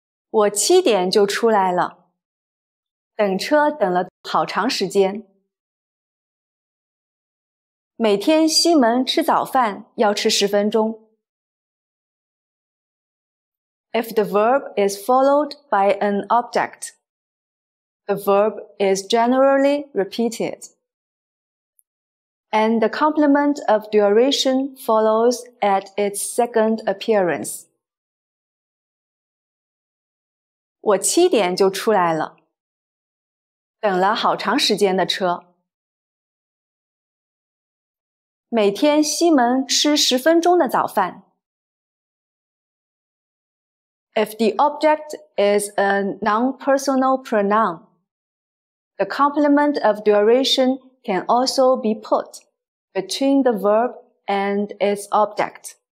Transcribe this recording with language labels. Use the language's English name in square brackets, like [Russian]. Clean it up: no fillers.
[Chinese] 我七点就出来了，等车等了好长时间。每天西门吃早饭要吃十分钟。 [English] If the verb is followed by an object, the verb is generally repeated. And the complement of duration follows at its second appearance. [Chinese] 我七点就出来了，等了好长时间的车。每天西门吃十分钟的早饭。 [English] If the object is a non-personal pronoun, the complement of duration can also be put between the verb and its object.